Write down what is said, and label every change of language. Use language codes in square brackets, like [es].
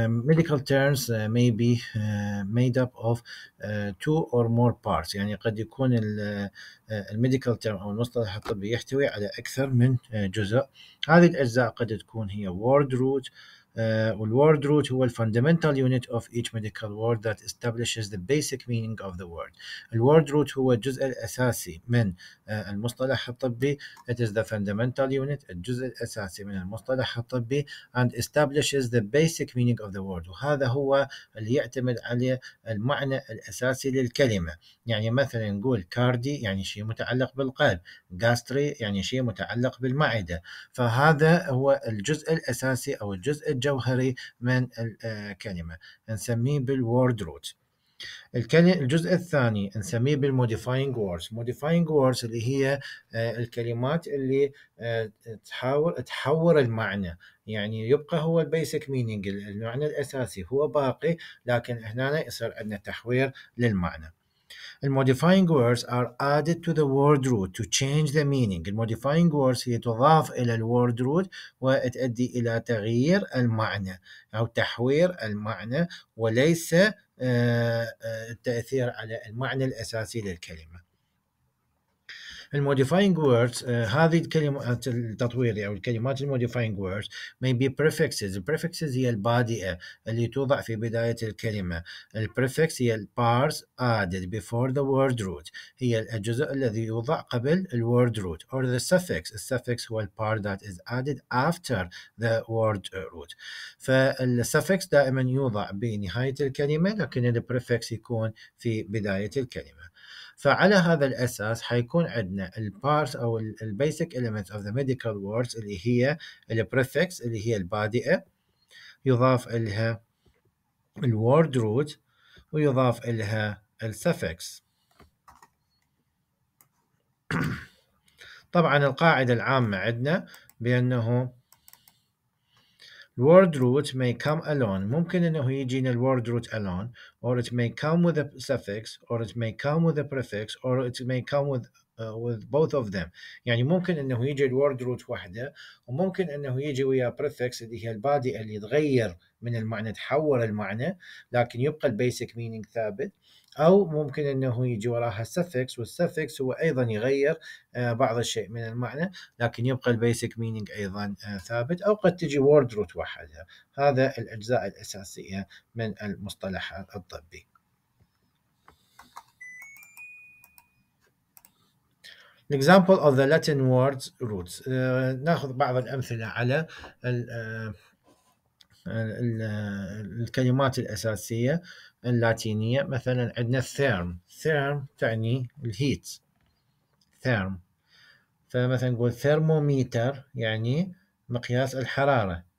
[en] Medical terms may be made up of two or more parts. [ar] يعني قد يكون الميديكال ترم أو المصطلح الطبي يحتوي على أكثر من جزء. هذه الأجزاء قد تكون هي [en] word root. والword root هو الفاندمنتال unit of each medical word that establishes the basic meaning of the word. [ar] الword root هو الجزء الاساسي من المصطلح الطبي. [en] It is the fundamental unit, [ar] الجزء الاساسي من المصطلح الطبي, [en] and establishes the basic meaning of the word. [ar] وهذا هو اللي يعتمد عليه المعنى الاساسي للكلمه. يعني مثلا نقول كاردي يعني شيء متعلق بالقلب, gastric يعني شيء متعلق بالمعده. فهذا هو الجزء الاساسي او الجزء الجوهري من الكلمة نسميه بالword root. الجزء الثاني نسميه بالmodifying words. modifying words اللي هي الكلمات اللي تحور المعنى, يعني يبقى هو البيسك مينينج المعنى الأساسي هو باقي, لكن هنا يصير عندنا تحوير للمعنى. [en] الموديفاينج words are added to the word root to change the meaning. [ar] الموديفاينج words هي تضاف إلى الword root وتؤدي إلى تغيير المعنى أو تحوير المعنى وليس التأثير على المعنى الأساسي للكلمة. الموديفاينج words هذه الكلمات التطويرية أو الكلمات الموديفاينج words [en] may be prefixes. [ar] prefixes هي البادئة اللي توضع في بداية الكلمة. [en] prefix هي parts added before the word root, [ar] هي الجزء الذي يوضع قبل [en] الword root. or the suffix. suffix هو part that is added after the word root. [ar] فالsuffix دائما يوضع بنهاية الكلمة لكن prefix يكون في بداية الكلمة. فعلى هذا الأساس حيكون عندنا البارس أو البيسك إليمنت أوف ذا ميديكال ووردز اللي هي البريفكس اللي هي البادئة, يضاف إلها الورد روت ويضاف إلها السفكس. طبعا القاعدة العامة عندنا بأنه [en] word root may come alone, [ar] ممكن انه يجي من [en] word root alone, or it may come with a suffix, or it may come with a prefix, or it may come with both of them. [ar] يعني ممكن انه يجي word root وحده وممكن انه يجي ويا prefix اللي هي البادئه اللي تغير من المعنى تحور المعنى لكن يبقى البيسك مينينج ثابت, او ممكن انه يجي وراها suffix والsuffix هو ايضا يغير بعض الشيء من المعنى لكن يبقى البيسك مينينج ايضا ثابت, او قد تجي word root وحدها. هذا الاجزاء الاساسيه من المصطلح الطبي. [en] Example of the Latin words roots. [ar] ناخذ بعض الامثله على الكلمات الاساسيه اللاتينيه. مثلا عندنا therm. therm تعني الهيت. [en] therm. [ar] فمثلا نقول thermometer يعني مقياس الحراره.